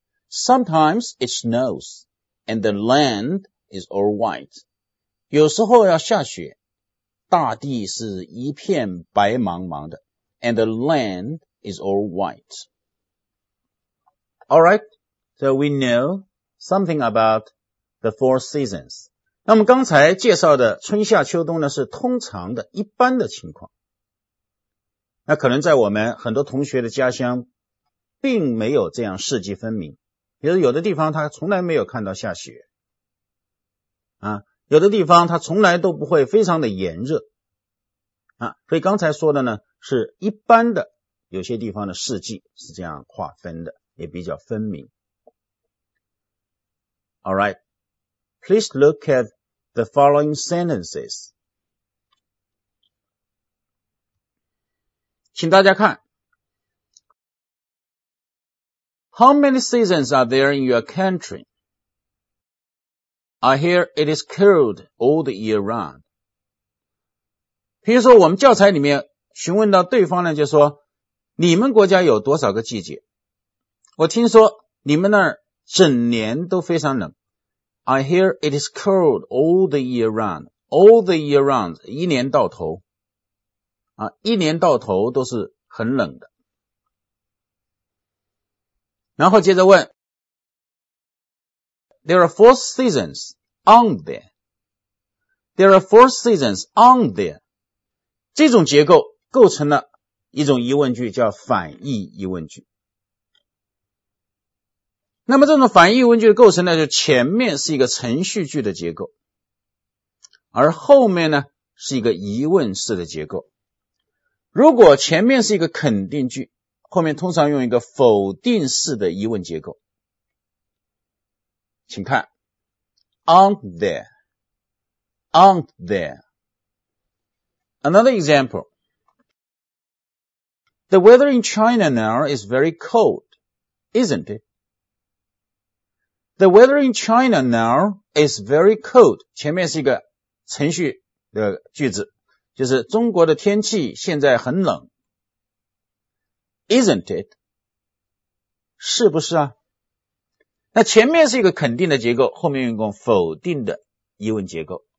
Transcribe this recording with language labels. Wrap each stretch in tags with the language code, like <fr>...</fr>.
<en>Sometimes it snows, and the land is all white.</en> <zh>有时候要下雪，大地是一片白茫茫的，</zh> <en>and the land is all white. Alright, so we know something about the four seasons.</en> <zh>那我们刚才介绍的春夏秋冬呢，是通常的一般的情况。那可能在我们很多同学的家乡，并没有这样四季分明。比如有的地方他从来没有看到下雪啊，有的地方他从来都不会非常的炎热啊，所以刚才说的呢是一般的，有些地方的四季是这样划分的，也比较分明。</zh> <en>Alright, please look at the following sentences.</en> <zh>请大家看</zh> <en>How many seasons are there in your country? I hear it is cold all the year round.</en> <zh>比如说我们教材里面询问到对方呢，就说你们国家有多少个季节？我听说你们那儿整年都非常冷。</zh> <en>I hear it is cold all the year round. All the year round,</en> <zh>一年到头。啊，一年到头都是很冷的。然后接着问</zh> <en>There are four seasons on there. There are four seasons on there.</en> <zh>这种结构构成了一种疑问句，叫反义疑问句。那么这种反义疑问句的构成呢，就前面是一个程序句的结构，而后面呢是一个疑问式的结构。如果前面是一个肯定句，后面通常用一个否定式的疑问结构。请看</zh> <en>Aren't there? Aren't there? Another example. The weather in China now is very cold, isn't it? The weather in China now is very cold.</en> <zh>前面是一个程序的句子，就是中国的天气现在很冷。</zh> <en>Isn't it?</en> <zh>是不是啊？那前面是一个肯定的结构，后面用一个否定的疑问结构。</zh>